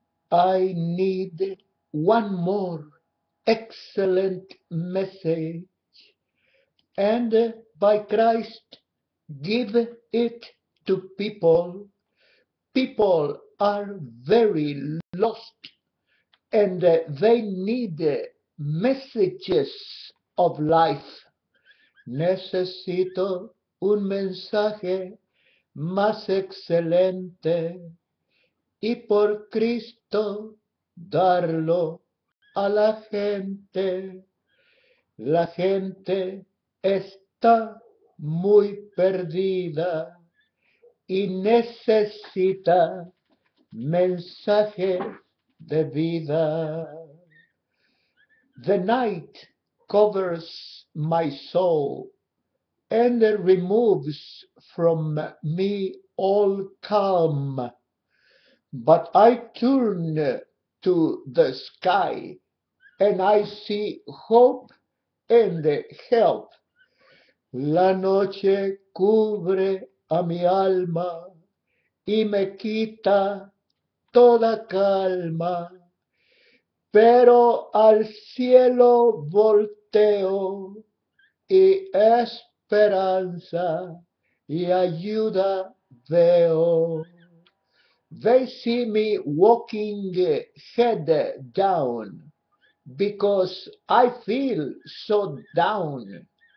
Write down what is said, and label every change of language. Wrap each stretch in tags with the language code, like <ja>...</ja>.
<en>I need one more excellent message, and by Christ, give it to people. People are very lost, and they need messages of life.</en> <es>Necesito un mensaje más excelente y por Cristo darlo a la gente. La gente está muy perdida y necesita mensaje de vida.</es> <en>The night covers my soul and removes from me all calm. But I turn to the sky and I see hope and help.</en> <es>La noche cubre a mi alma y me quita toda calma. Pero al cielo volteo y esperanza y ayuda veo.</es> <en>They see me walking head down because I feel so down.</en>